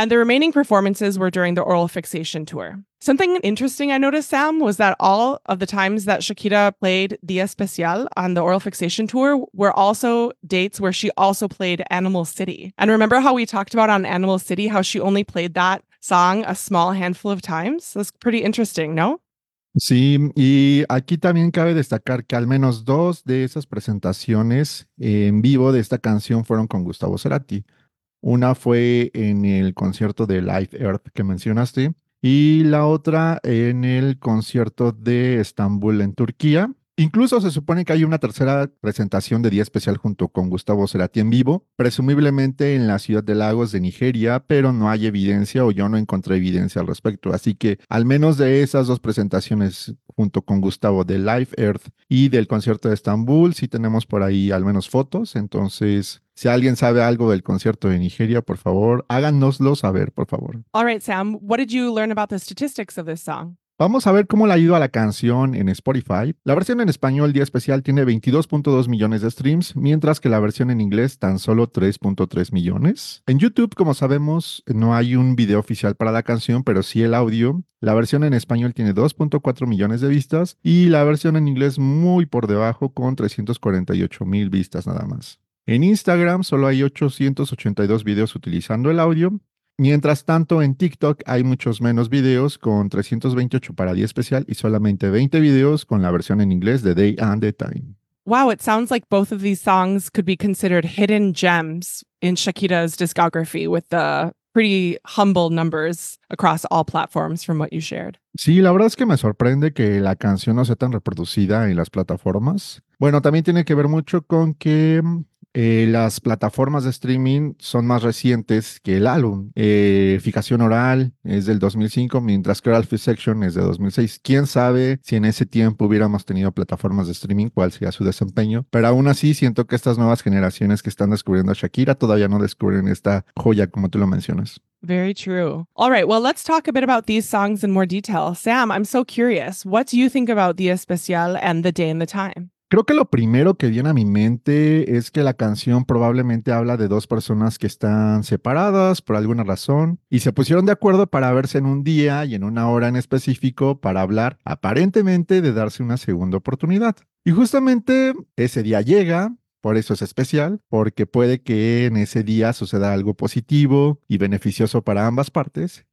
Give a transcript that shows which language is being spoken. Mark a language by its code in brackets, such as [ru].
[en] And the remaining performances were during the Oral Fixation tour. Something interesting I noticed, Sam, was that all of the times that Shakira played Día Especial on the Oral Fixation tour were also dates where she also played Animal City. And remember how we talked about on Animal City, how she only played that song a small handful of times? That's pretty interesting, no? [es] Sí, y aquí también cabe destacar que al menos dos de esas presentaciones en vivo de esta canción fueron con Gustavo Cerati. Una fue en el concierto de Live Earth que mencionaste, y la otra en el concierto de Estambul en Turquía. Incluso se supone que hay una tercera presentación de Día Especial junto con Gustavo Cerati en vivo, presumiblemente en la ciudad de Lagos de Nigeria, pero no hay evidencia o yo no encontré evidencia al respecto. Así que al menos de esas dos presentaciones junto con Gustavo de Live Earth y del concierto de Estambul, sí tenemos por ahí al menos fotos. Entonces, si alguien sabe algo del concierto de Nigeria, por favor, háganoslo saber, por favor. [en] All right, Sam, what did you learn about the statistics of this song? [es] Vamos a ver cómo le ha ido a la canción en Spotify. La versión en español, Día Especial, tiene 22.2 millones de streams, mientras que la versión en inglés, tan solo 3.3 millones. En YouTube, como sabemos, no hay un video oficial para la canción, pero sí el audio. La versión en español tiene 2.4 millones de vistas y la versión en inglés muy por debajo, con 348 mil vistas nada más. En Instagram, solo hay 882 videos utilizando el audio. Mientras tanto, en TikTok hay muchos menos videos, con 328 para Día Especial y solamente 20 videos con la versión en inglés de Day and the Time. [en] Wow, it sounds like both of these songs could be considered hidden gems in Shakira's discography with the pretty humble numbers across all platforms from what you shared. [es] Sí, la verdad es que me sorprende que la canción no sea tan reproducida en las plataformas. Bueno, también tiene que ver mucho con que las plataformas de streaming son más recientes que el álbum. Fijación Oral es del 2005, mientras que Oral Fixation es de 2006. ¿Quién sabe si en ese tiempo hubiéramos tenido plataformas de streaming, cuál sería su desempeño? Pero aún así, siento que estas nuevas generaciones que están descubriendo a Shakira todavía no descubren esta joya, como tú lo mencionas. [en] Very true. All right, well, let's talk a bit about these songs in more detail. Sam, I'm so curious. What do you think about Día Especial and The Day and the Time? [es] Creo que lo primero que viene a mi mente es que la canción probablemente habla de dos personas que están separadas por alguna razón y se pusieron de acuerdo para verse en un día y en una hora en específico para hablar, aparentemente, de darse una segunda oportunidad. Y justamente ese día llega. Por eso es especial, porque puede que en ese día suceda algo positivo y beneficioso para ambas partes.